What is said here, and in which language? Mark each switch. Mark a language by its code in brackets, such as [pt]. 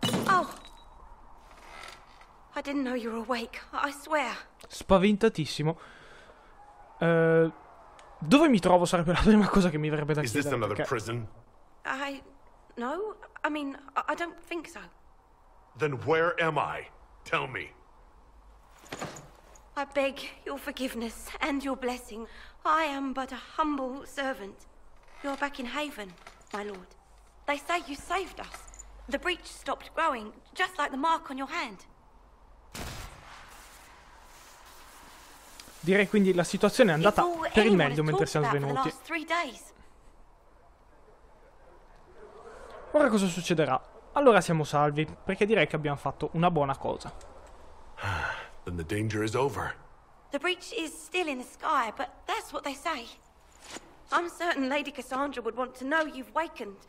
[en] Oh. I didn't know you were awake, I swear. [it] Spaventatissimo. Dove mi trovo sarebbe la prima cosa che mi verrebbe da chiedere. [en] Is this another prison? No. I mean, I don't think so. Then where am I? Tell me. I beg your forgiveness and your blessing. I am but a humble servant. You're back in Haven, my lord. They say you saved us. The breach stopped growing, just like the mark on your hand. [it] Direi quindi la situazione è andata per il meglio mentre siamo svenuti. Ora cosa succederà? Allora siamo salvi, perché direi che abbiamo fatto una buona cosa. [en] Then the danger is over. The breach is still in the sky, but that's what they say. I'm certain Lady Cassandra would want to know you've wakened.